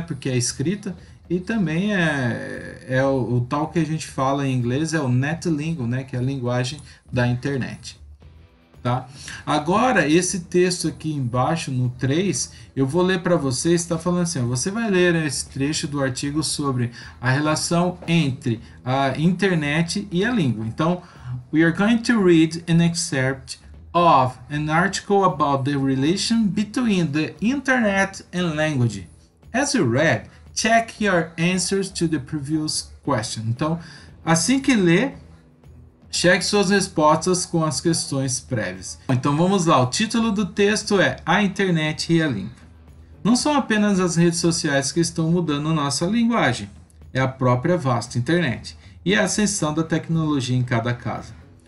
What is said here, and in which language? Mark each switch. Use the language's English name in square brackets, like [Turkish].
[Portuguese] Porque é escrita, e também é o tal que a gente fala em inglês, é o netlingo, né? Que é a linguagem da internet. Tá? Agora, esse texto aqui embaixo, no 3, eu vou ler para você, está falando assim, ó, você vai ler esse trecho do artigo sobre a relação entre a internet e a língua. Então, [English] we are going to read an excerpt of an article about the relation between the internet and language. As you read, check your answers to the previous question. [Portuguese] Então, assim que ler, cheque suas respostas com as questões prévias. Então vamos lá, o título do texto é A Internet e a Língua. Não são apenas as redes sociais que estão mudando nossa linguagem, é a própria vasta internet e a ascensão da tecnologia em cada casa.